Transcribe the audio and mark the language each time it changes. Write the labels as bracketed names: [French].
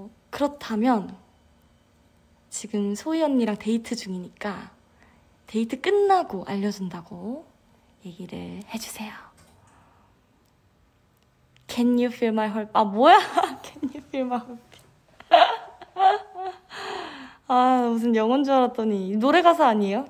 [Korean] 그렇다면 지금 소희 언니랑 데이트 중이니까 데이트 끝나고 알려준다고 얘기를 해주세요. [English] Can you feel my heartbeat? [Korean] 아, 뭐야? [English] Can you feel my heartbeat? [Korean] 아, 무슨 영어인 줄 알았더니 노래 가사 아니에요?